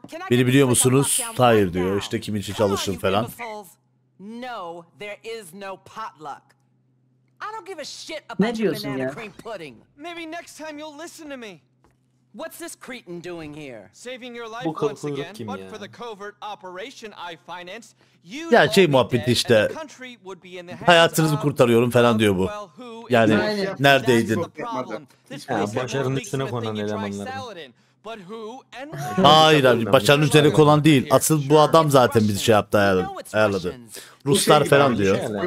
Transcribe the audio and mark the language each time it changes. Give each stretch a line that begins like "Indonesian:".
Turkish: Beni biliyor musunuz? Hayır diyor. İşte kimin için çalıştım falan.
English: I don't give a shit about your banana cream pudding. Maybe next time you'll listen to me. What's this cretin doing here? Saving your life once again, but for the covert operation I financed, you.
Turkish: Ya şey muhabbeti işte. Hayatınızı kurtarıyorum falan diyor bu. Yani neredeydin? Ya, başarının üstüne konan elemanlar.
English: But who and why?
Turkish: Hayır abi, paşanın üzerine kolan değil. Asıl bu adam zaten bizi şey yaptı, ayarladı. Ruslar falan diyor.